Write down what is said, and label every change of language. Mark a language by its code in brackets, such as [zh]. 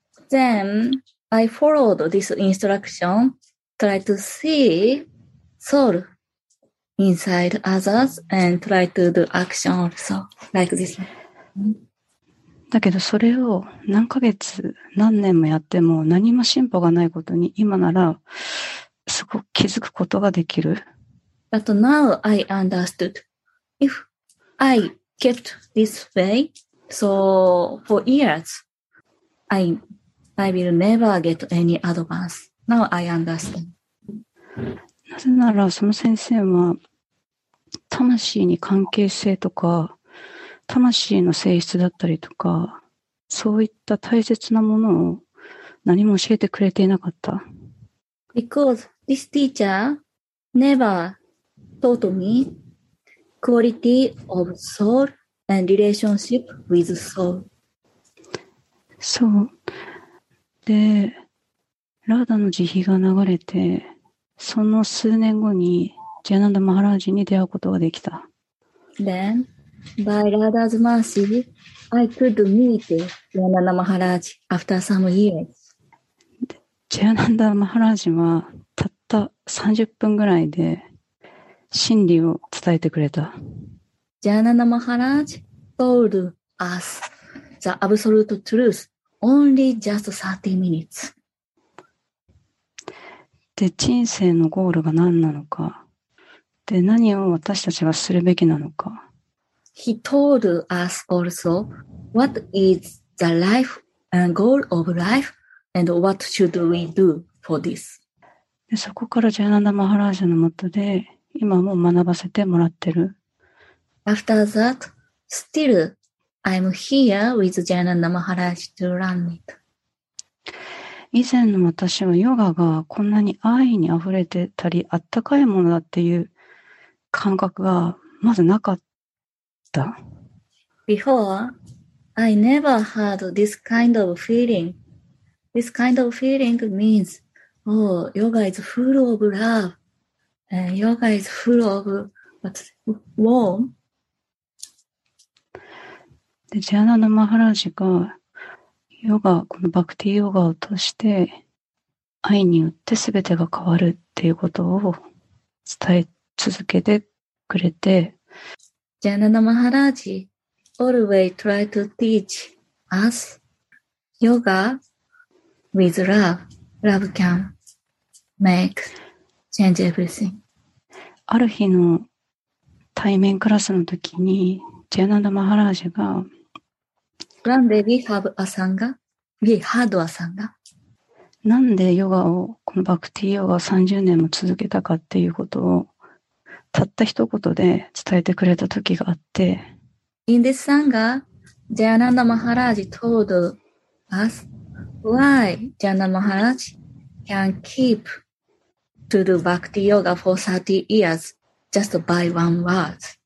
[en] Then I followed this instruction, try to see soulinside others and try to do action also like this. [ja] だけどそれを何ヶ月何年もやっても何も進歩がないことに今ならすごく気づくことができる。 [en] But now I understood. If I kept this way, so for years, I will never get any advance. Now I understand. [ja] なぜならその先生は魂に関係性とか魂の性質だったりとか、そういった大切なものを何も教えてくれていなかった。 [en] Because this teacher never taught me quality of soul and relationship with soul. [ja] そう。で、ラーダの慈悲が流れて、その数年後にジャナダ・マハラージに出会うことができた。 [en] Then, by Radha's mercy, I could meet Jayananda Maharaj after some years. [ja] Jayananda Maharaj はたった30分ぐらいで真理を伝えてくれた。 [en] Jayananda Maharaj told us the absolute truth only just 30 minutes. [ja] で、人生のゴールが何なのか。で、何を私たちがするべきなのか。 [en] He told us also what is the life and goal of life and what should we do for this. [ja] で、そこからジャナンダ・マハラージのもとで今も学ばせてもらってる。 [en] After that, still I'm here with ジャナンダ・マハラージ to learn it. [ja] 以前の私はヨガがこんなに愛にあふれてたりあったかいものだっていう感覚がまずなかった。 [en] Before, I never had this kind of feeling. This kind of feeling means, oh, yoga is full of love. Yoga is full of warm. [ja] で、ジャナナ・マハラジがヨガ、このバクティヨガを通して愛によって全てが変わるっていうことを伝え続けてくれて、 [en] ジャナナ・マハラージ always try to teach us yoga with love. Love can make change everything. [ja] ある日の対面クラスの時にジャナナ・マハラージが、 [en] When we have a sangha, we had a sangha. [ja] なんでヨガをこのバクティヨガを30年も続けたかっていうことをたった一言で伝えてくれた時があって。 [en] In this sangha, Jayananda Maharaj told us why Jayananda Maharaj can keep to do bhakti yoga for 30 years just by one word.